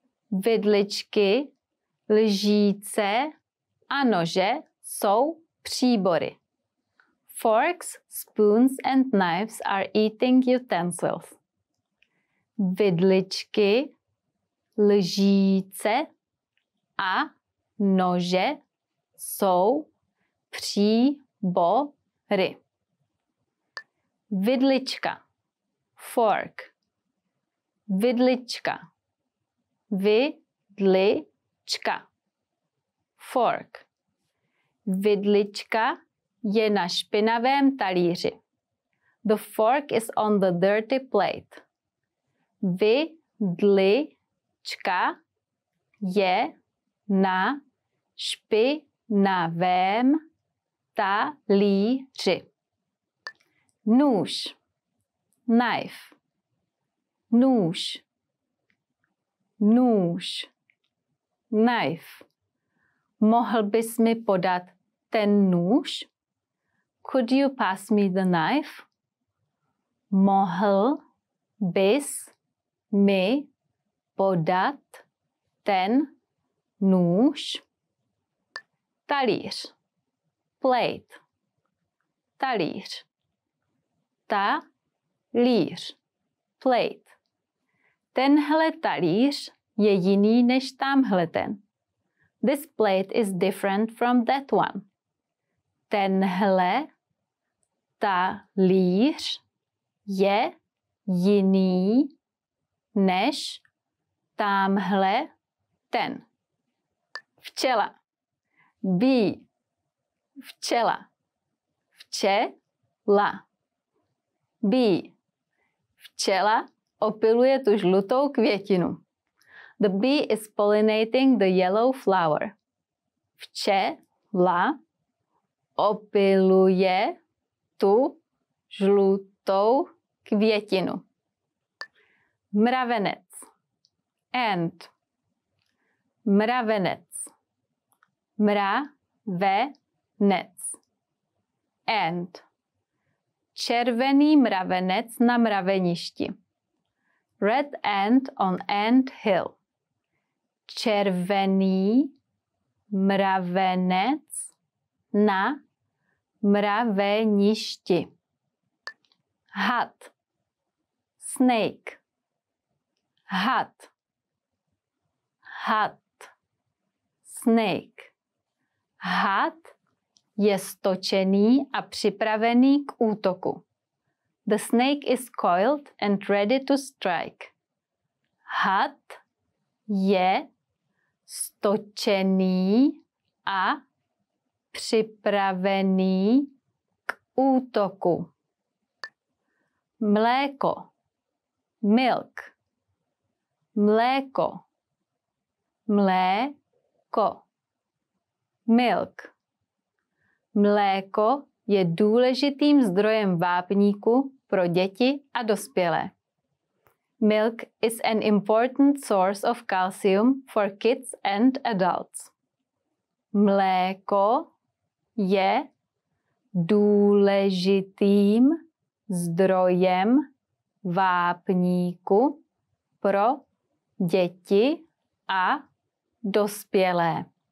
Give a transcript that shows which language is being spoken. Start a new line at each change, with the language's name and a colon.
Czech: Vidličky, lžíce a nože jsou příbory.
English: Forks, spoons and knives are eating utensils.
Czech: Vidličky, lžíce a nože jsou příbory. Vidlička,
English: fork.
Czech: Vidlička, vidlička,
English: fork.
Czech: Vidlička je na špinavém talíři.
English: The fork is on the dirty plate.
Czech: Vidlička je na špinavém talíři. Nůž.
English: Knife.
Czech: Nůž. Nůž. Knife. Mohl bys mi podat ten nůž?
English: Could you pass me the knife?
Czech: Mohl bys mi podat ten nůž? Talíř.
English: Plate.
Czech: Talíř. Talíř.
English: Plate.
Czech: Tenhle talíř je jiný než tamhle ten.
English: This plate is different from that one.
Czech: Tenhle talíř je jiný než tamhle ten. Včela.
English: Bee.
Czech: Včela. Včela.
English: Bee.
Czech: Včela opiluje tu žlutou květinu.
English: The bee is pollinating the yellow flower.
Czech: Včela opiluje tu žlutou květinu. Mravenec.
English: Ant.
Czech: Mravenec. Mravenec.
English: Ant.
Czech: Červený mravenec na mraveništi.
English: Red ant on ant hill.
Czech: Červený mravenec na mraveništi. Had.
English: Snake.
Czech: Had. Had. Snake. Had je stočený a připravený k útoku.
English: The snake is coiled and ready to strike.
Czech: Had je stočený a připravený k útoku. Mléko.
English: Milk.
Czech: Mléko. Mléko.
English: Milk.
Czech: Mléko je důležitým zdrojem vápníku pro děti a dospělé.
English: Milk is an important source of calcium for kids and adults.
Czech: Mléko je důležitým zdrojem vápníku pro děti a dospělé.